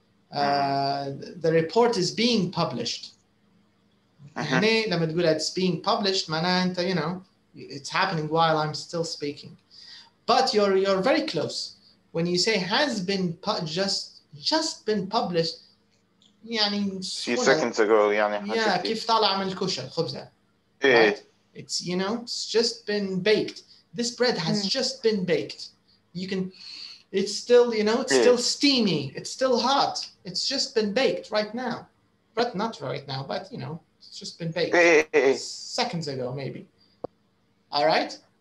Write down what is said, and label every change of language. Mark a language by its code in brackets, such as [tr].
[en] The report is being published. Uh-huh. It's being published, you know, it's happening while I'm still speaking. But you're very close. When you say has been just been published, yani few seconds ago, [ar] كيف طالع من الكوشة الخبزة. [en] It's, you know, it's just been baked. This bread has just been baked. It's still steamy. It's still hot. It's just been baked right now. But not right now, but, you know, it's just been baked. Seconds ago, maybe. All right?